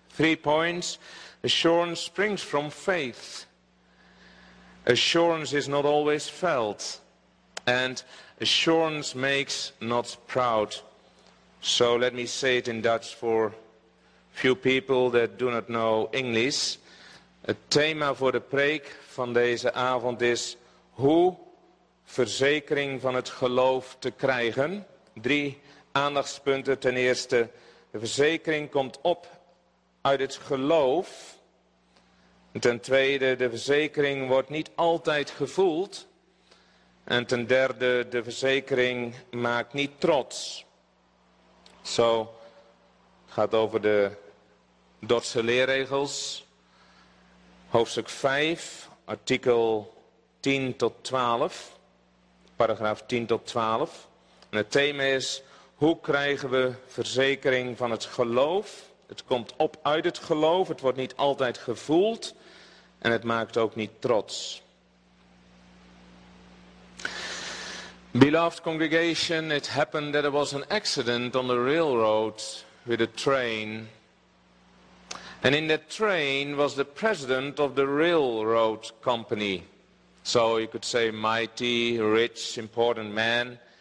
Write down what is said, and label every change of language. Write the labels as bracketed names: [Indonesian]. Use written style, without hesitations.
[English] 3 points, assurance springs from faith. Assurance is not always felt. And assurance makes not proud. So let me say it in Dutch for few people that do not know English. [Dutch] Het thema voor de preek van deze avond is hoe verzekering van het geloof te krijgen. 3 aandachtspunten. Ten eerste, de verzekering komt op uit het geloof. En ten tweede, de verzekering wordt niet altijd gevoeld. En ten derde, de verzekering maakt niet trots. Zo, het gaat over de Dordtse leerregels, hoofdstuk 5, artikel 10 tot 12, paragraaf 10 tot 12. En het thema is, hoe krijgen we verzekering van het geloof? Het komt op uit het geloof, het wordt niet altijd gevoeld en het maakt ook niet trots. [English] Beloved congregation, it happened that there was an accident on the railroad with a train. And in that train was the president of the railroad company. So you could say mighty, rich, important man.